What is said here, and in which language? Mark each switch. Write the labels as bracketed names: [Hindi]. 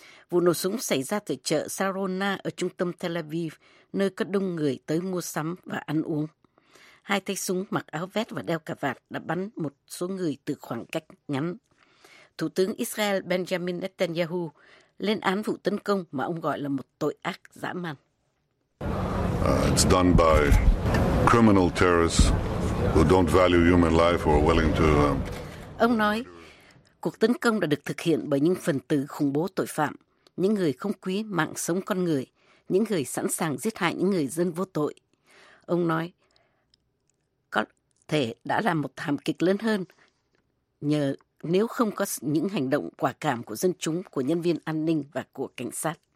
[Vietnamese] Vụ nổ súng xảy ra tại chợ Sarona ở trung tâm Tel Aviv, nơi có đông người tới mua sắm và ăn uống. Hai tay súng mặc áo vest và đeo cà vạt đã bắn một số người từ khoảng cách ngắn. Thủ tướng Israel Benjamin Netanyahu lên án vụ tấn công mà ông gọi là một tội ác dã man. [English] It's done by criminal terrorists who don't value human life or willing to. [Vietnamese] Ông nói, cuộc tấn công đã được thực hiện bởi những phần tử khủng bố tội phạm. Những người không quý mạng sống con người, những người sẵn sàng giết hại những người dân vô tội. Ông nói, có thể đã là một thảm kịch lớn hơn nhờ nếu không có những hành động quả cảm của dân chúng, của nhân viên an ninh và của cảnh sát.